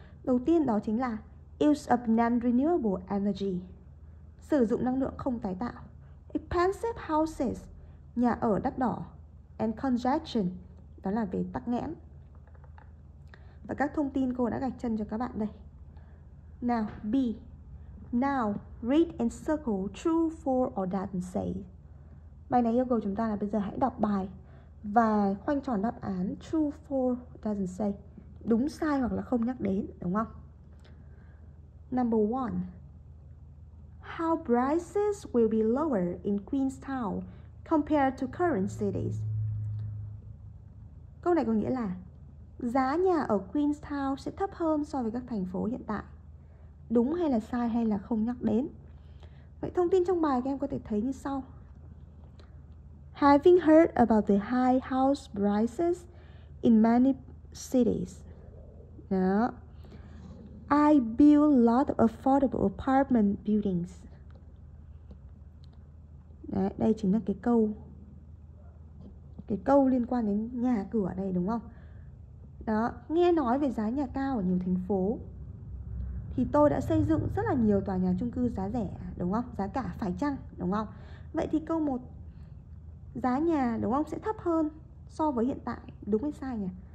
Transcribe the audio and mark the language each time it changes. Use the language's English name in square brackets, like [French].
[Vietnamese] Đầu tiên đó chính là [English] use of non-renewable energy. [Vietnamese] Sử dụng năng lượng không tái tạo. [English] Expensive houses, [Vietnamese] nhà ở đắt đỏ, [English] and congestion, [Vietnamese] đó là về tắc nghẽn. Và các thông tin cô đã gạch chân cho các bạn đây. [English] Now, B. Now, read and circle true, for or doesn't say. [Vietnamese] Bài này yêu cầu chúng ta là bây giờ hãy đọc bài và khoanh tròn đáp án [English] true, for, doesn't say. [Vietnamese] Đúng, sai hoặc là không nhắc đến, đúng không? [English] Number one. How prices will be lower in Queenstown compared to current cities? [Vietnamese] Câu này có nghĩa là giá nhà ở Queenstown sẽ thấp hơn so với các thành phố hiện tại. Đúng hay là sai hay là không nhắc đến? Vậy thông tin trong bài các em có thể thấy như sau. [English] Having heard about the high house prices in many cities, đó, I build a lot of affordable apartment buildings. [Vietnamese] Đấy, đây chính là cái câu liên quan đến nhà cửa đây, đúng không? Đó, nghe nói về giá nhà cao ở nhiều thành phố thì tôi đã xây dựng rất là nhiều tòa nhà chung cư giá rẻ, đúng không? Giá cả phải chăng, đúng không? Vậy thì câu 1, giá nhà, đúng không, sẽ thấp hơn so với hiện tại, đúng hay sai nhỉ?